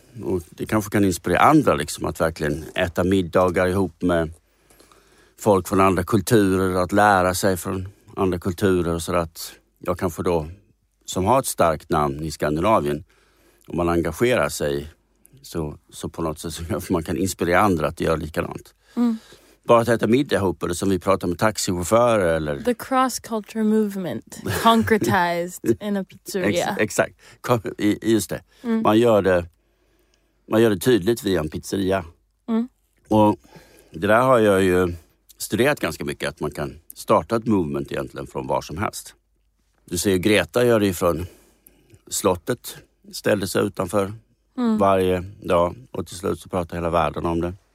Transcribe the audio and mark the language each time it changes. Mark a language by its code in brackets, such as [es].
[sv] Och det kanske kan inspirera andra liksom, att verkligen äta middagar ihop med folk från andra kulturer, att lära sig från andra kulturer, och så att jag kan få då, som har ett starkt namn i Skandinavien, om man engagerar sig så på något sätt så man kan inspirera andra att göra likadant. Mm. Bara att äta middag ihop, eller som vi pratar med taxichaufförer. Eller [en] the cross-culture movement concretized in a pizzeria. [sv] Exakt. Just det. Mm. Man gör det tydligt via en pizzeria. Mm. Och det där har jag ju studerat ganska mycket, att man kan starta ett movement egentligen från var som helst. Du ser Greta gör det från slottet, ställde sig utanför varje dag, och till slut så pratar hela världen om det.